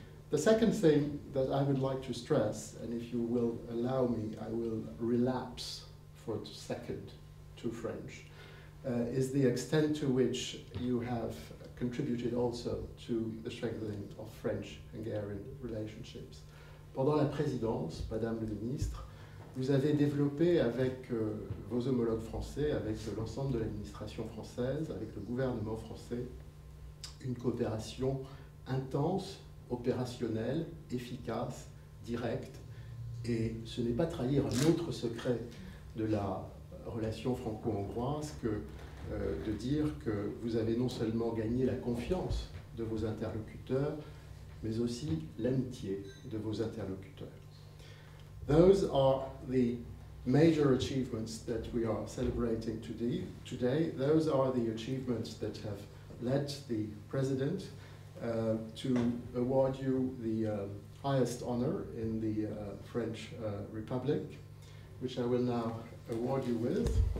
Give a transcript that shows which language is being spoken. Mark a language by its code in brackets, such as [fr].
[en] The second thing that I would like to stress, and if you will allow me, I will relapse for a second to French, is the extent to which you have contributed also to the strengthening of French-Hungarian relationships. [fr] Pendant la présidence, Madame la Ministre, vous avez développé avec vos homologues français, avec l'ensemble de l'administration française, avec le gouvernement français, une coopération intense, opérationnelle, efficace, directe, et ce n'est pas trahir un autre secret de la relation franco-hongroise que de dire que vous avez non seulement gagné la confiance de vos interlocuteurs, mais aussi l'amitié de vos interlocuteurs. [en] Those are the major achievements that we are celebrating today. Those are the achievements that have led the president to award you the highest honor in the French Republic, which I will now award you with.